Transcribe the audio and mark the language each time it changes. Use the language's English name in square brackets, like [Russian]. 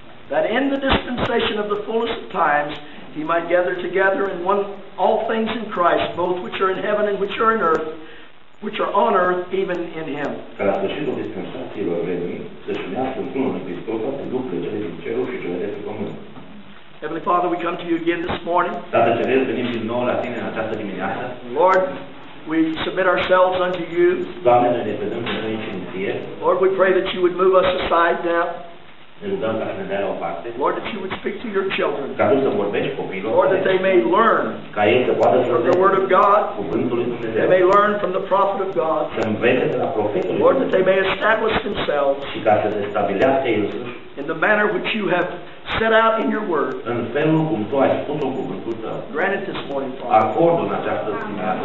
[English] That in the dispensation of the fullest of times, he might gather together in one all things in Christ, both which are in heaven and which are in earth, which are on earth, even in him. [Romanian] Ca la sfârșitul dispensațiilor vremii, să-și unească într-unul în Hristos toate lucrurile, cele din cerul și cele de pe pământ. [English] Heavenly Father, we come to you again this morning. [Romanian] Tată Ceresc, venim din nou la tine în această dimineață. [English] Lord, we submit ourselves unto you. [Romanian] Doamne, noi ne predăm pe noi înșine ție. [English] Lord, we pray that you would move us aside now. [Romanian] Ne rugăm ca să ne dea la o parte. [English] Lord, that you would speak to your children. [Romanian] Ca tu să vorbești copiilor. [English] Lord, that they may learn [Romanian] ca ei să poată să [English] the word of God. [Romanian] Cuvântul lui Dumnezeu. [English] They may learn from the prophet of God. [Romanian] Să învețe de la profetul lui. [English] Lord, that they may establish themselves. [Romanian] Și ca să se stabilească ei. [English] In the manner which you have set out in your word. [Romanian] În felul cum tu ai spus-o în cuvântul tău. [English] Grant it this morning, Father. [Romanian] Acordă în această dimineață.